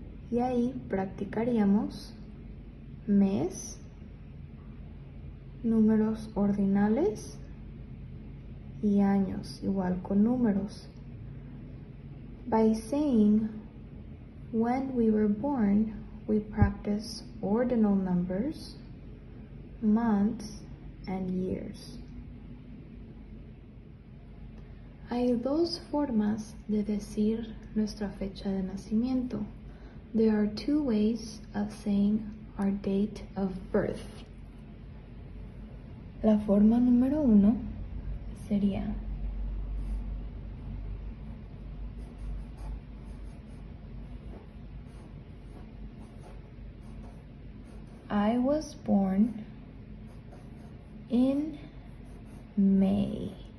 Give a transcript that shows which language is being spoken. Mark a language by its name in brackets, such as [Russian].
[Spanish] Y ahí practicaríamos mes, números ordinales y años, igual con números. [English] By saying when we were born, we practice ordinal numbers, months, and years. [Spanish] Hay dos formas de decir nuestra fecha de nacimiento. [English] There are two ways of saying our date of birth. [Spanish] La forma número uno sería, [English] I was born in May.